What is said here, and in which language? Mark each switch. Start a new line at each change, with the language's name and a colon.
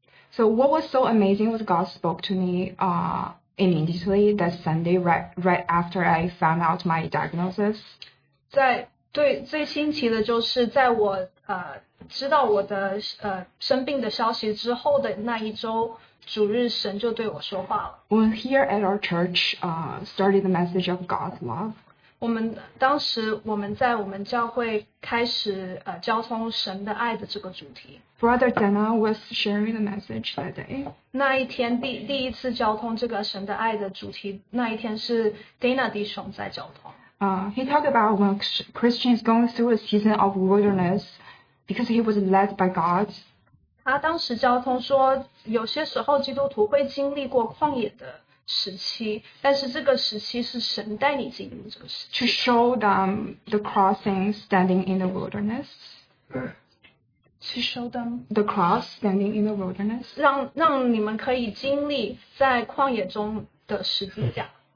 English: So what was so amazing was God spoke to me immediately that Sunday right after I found out my diagnosis.
Chinese: 在最新奇的就是在我知道我的生病的消息之后的那一周，主日神就对我说话了。
English: When here at our church, started the message of God's love.
Chinese: 我们当时我们在我们教会开始交通神的爱的这个主题。
English: Brother Dana was sharing the message that day.
Chinese: 那一天第一次交通这个神的爱的主题，那一天是 Dana 弟兄在交通。
English: He talked about when Christian is going through a season of wilderness. Because he was led by God.
Chinese: 他当时交通说，有些时候基督徒会经历过旷野的时期，但是这个时期是神带你进入这个时期。
English: To show them the crossing standing in the wilderness. To show them the cross standing in the wilderness.
Chinese: 让你们可以经历在旷野中的十字架。